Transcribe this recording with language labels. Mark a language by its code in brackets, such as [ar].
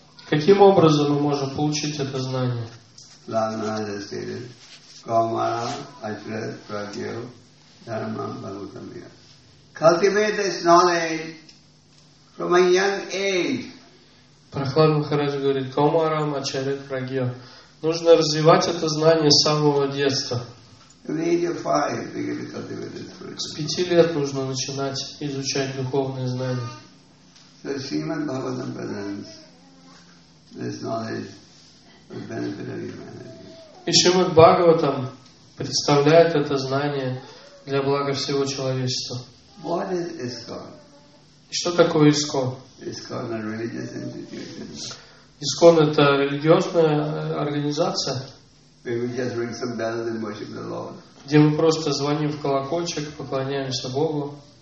[ru] Каким образом мы можем получить это знание? Прохлад Махарадж говорит, [sa] Комара Ачарет Прагья. [ru] Нужно развивать это знание с самого детства. С 5 лет нужно начинать изучать духовные знания. [en] So Srimad Bhagavatam presents this knowledge for benefit of humanity. [ru] И Шримад Бхагаватам представляет это знание для блага всего человечества. [en] What is ISKCON? [ru] Что такое ISKCON? [en] ISKCON is a religious institution. [ru] ИСКОН – это религиозная организация, где мы просто звоним в колокольчик, поклоняемся Богу.